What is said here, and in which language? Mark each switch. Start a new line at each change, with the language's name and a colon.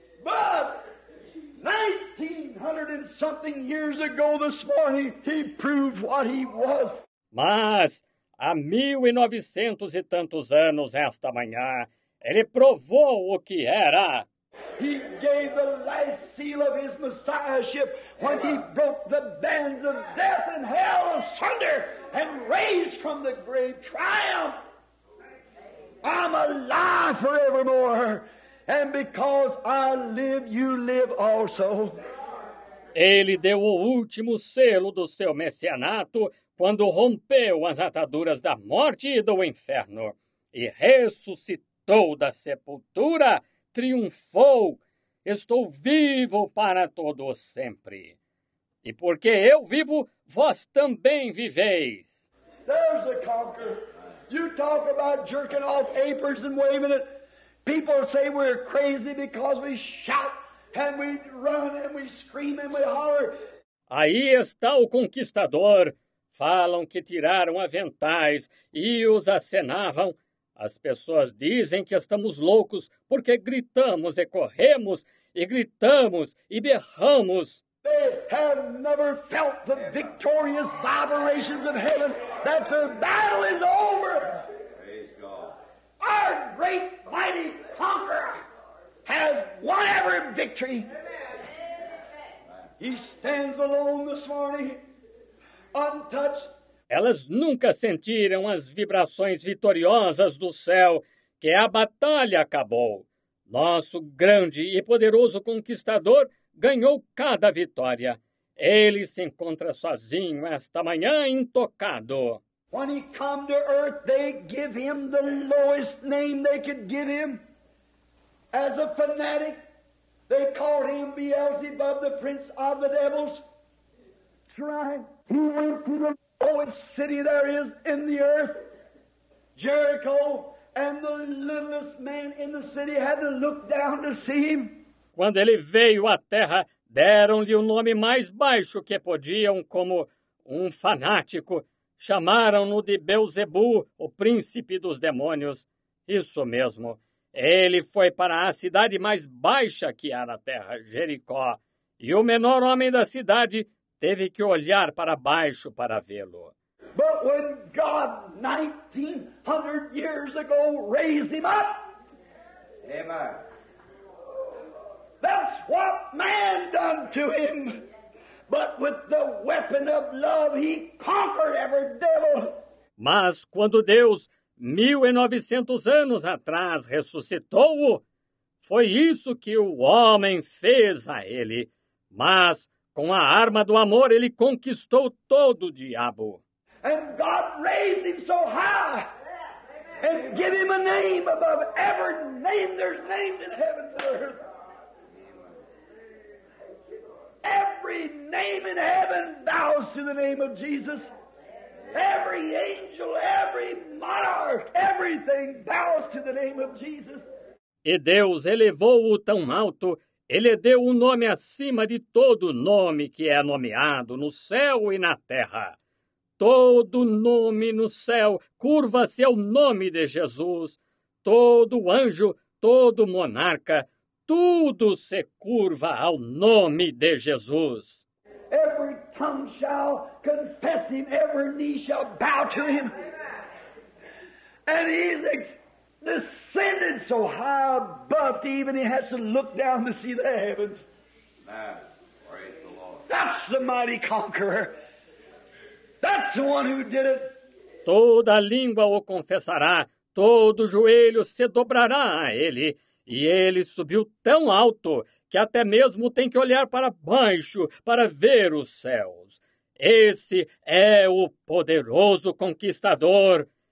English: But 1900 and something years ago this morning, he proved what he was.
Portuguese: Mas há 1900 e tantos anos esta manhã, ele provou o que era.
English: He gave the last seal of his messiahship when he broke the bands of death and hell asunder and raised from the grave triumph. I'm alive forevermore. And because I live, you live also.
Portuguese: Ele deu o último selo do seu messianato quando rompeu as ataduras da morte e do inferno e ressuscitou da sepultura, triunfou. Estou vivo para todo o sempre. E porque eu vivo, vós também viveis.
English: There's a conqueror. You talk about jerking off apers and waving it. People say we're crazy because we shout and we run and we scream and we holler.
Portuguese: Aí está o conquistador. Falam que tiraram aventais e os acenavam. As pessoas dizem que estamos loucos porque gritamos e corremos e gritamos e berramos.
English: They have never felt the victorious vibrations of heaven that the battle is over. Our great mighty conqueror has won every victory. He stands alone this morning, untouched.
Portuguese: Elas nunca sentiram as vibrações vitoriosas do céu, que a batalha acabou. Nosso grande e poderoso conquistador ganhou cada vitória. Ele se encontra sozinho esta manhã, intocado.
English: When he come to earth, they give him the lowest name they could give him. As a fanatic, they called him Beelzebub, the prince of the devils. Right. He went to the lowest city there is in the earth, Jericho, and the littlest man in the city had to look down to see him.
Portuguese: Quando ele veio à terra, deram-lhe o nome mais baixo que podiam, como um fanático. Chamaram-no de Beelzebu, o príncipe dos demônios. Isso mesmo. Ele foi para a cidade mais baixa que há na terra, Jericó. E o menor homem da cidade teve que olhar para baixo para vê-lo.
English: But when God 1900 years ago raised him up. Amen. That's what man done to him. But with the weapon of love, he conquered every devil.
Portuguese: Mas quando Deus, 1900 anos atrás, ressuscitou-o, foi isso que o homem fez a ele. Mas com a arma do amor, ele conquistou todo o diabo.
English: And God raised him so high and gave him a name above every name there's named in heaven and earth. Every name in heaven bows to the name of Jesus. Every angel, every monarch, everything bows to the name of Jesus.
Portuguese: E Deus elevou-o tão alto, Ele deu um nome acima de todo nome que é nomeado no céu e na terra. Todo nome no céu curva-se ao nome de Jesus. Todo anjo, todo monarca, tudo se curva ao nome de Jesus.
English: Every tongue shall confess him, every knee shall bow to him. And he's descended so high above, even he has to look down to see the heavens. Man, praise the Lord. That's the mighty conqueror. That's the one who did it.
Portuguese: Toda língua o confessará, todo joelho se dobrará a ele. E ele subiu tão alto que até mesmo tem que olhar para baixo para ver os céus. Esse é o poderoso conquistador.